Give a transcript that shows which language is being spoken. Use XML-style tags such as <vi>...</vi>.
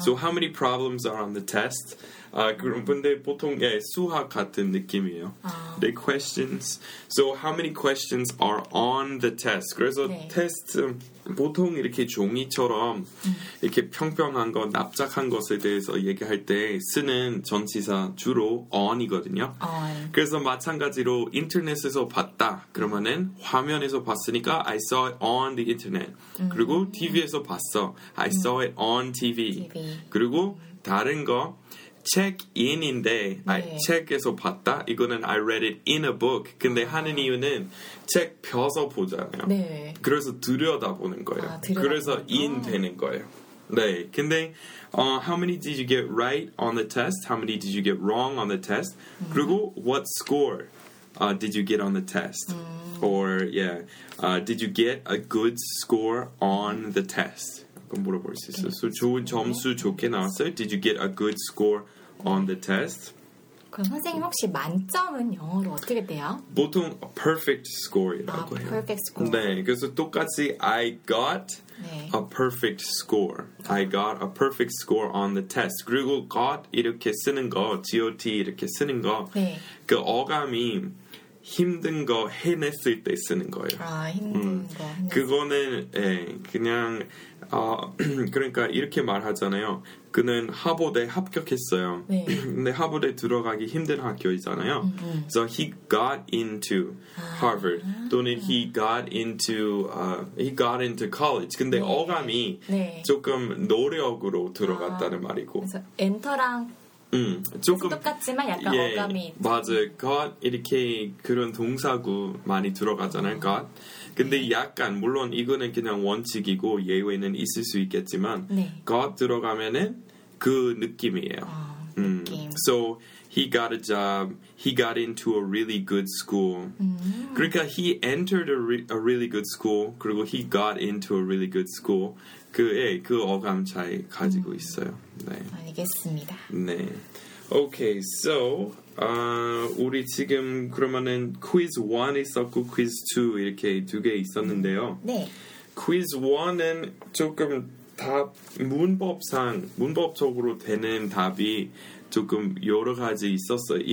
<en>So how many problems are on the test?</en> <ko>아, 그럼 근데 보통 예, 수학 같은 느낌이에요. 아.</ko> <en>The questions. So how many questions are on the test?</en> <ko>그래서 네. 테스트 보통 이렇게 종이처럼 이렇게 평평한 거, 납작한 것에 대해서 얘기할 때 쓰는 전치사 주로 on이거든요.</ko> <en>On.</en> <ko>그래서 마찬가지로 인터넷에서 봤다. 그러면은 화면에서 봤으니까</ko> <en>I saw it on the internet.</en> <ko>그리고 TV에서 봤어.</ko> <en>I saw it on TV. TV.</en> <ko>그리고 다른 거 check in인데 네.</ko> <en>I check에서</en> <ko>봤다. 이거는</ko> <en>I read it in a book.</en> <ko>근데 하는 이유는 책 펴서 보잖아요. 네. 그래서 들여다보는 거예요. 아, 들여다보는 그래서 in 되는 거예요. 네.</ko> <en>근데 how many did you get right on the test? How many did you get wrong on the test?</en> <ko>그리고</ko> <en>what score did you get on the test? Or yeah, did you get a good score on the test?</en> <ko>그럼 물어볼 수 있어요.</ko> <en>Okay. So,</en> <ko>좋은 점수 좋게 나왔어요.</ko> <en>Did you get a good score on the test?</en> <ko>그럼 선생님 혹시 만점은 영어로 어떻게 돼요? 보통</ko> <en>a perfect score이라고</en> <ko>아, 해요.</ko> <en>Perfect score.</en> <ko>네, 그래서 똑같이</ko> <en>I got</en> <ko>네.</ko> <en>a perfect score. I got a perfect score on the test.</en> <ko>그리고 got 이렇게 쓰는 거, got 이렇게 쓰는 거, 네. 그 어감이 힘든 거 해냈을 때 쓰는 거예요. 아, 힘든 거. 그거는 예, 그냥 그러니까 이렇게 말하잖아요. 그는 하버드에 합격했어요. 네. 근데 하버드에 들어가기 힘든 학교이잖아요.</ko> <en>So he got into Harvard.</en> <ko>아. 또는</ko> <en>he got into college.</en> <ko>근데 네. 어감이 네. 조금 노력으로 들어갔다는 아. 말이고. 그래서 엔터랑 조금 똑같지만 약간 예, 어감이 맞아요. got 이렇게 그런 동사구 많이 들어가잖아요. got 근데 네. 약간 물론 이거는 그냥 원칙이고 예외는 있을 수 있겠지만 네. got 들어가면은 그 느낌이에요. 느낌.</ko> <en>So he got a job. He got into a really good school. 그러니까 he entered a really good school. 그리고 he got into a really good school.</en> <ko>그 어감 차이 가지고 있어요. 네. 알겠습니다. 네.</ko> <en>Okay, so</en> <ko>우리 지금 그러면은 퀴즈 1 있었고 퀴즈 2 이렇게 두 개 있었는데요. 네. 퀴즈 1은 조금 답 문법상 문법적으로 되는 답이 조금 여러 가지 있었어요.</ko>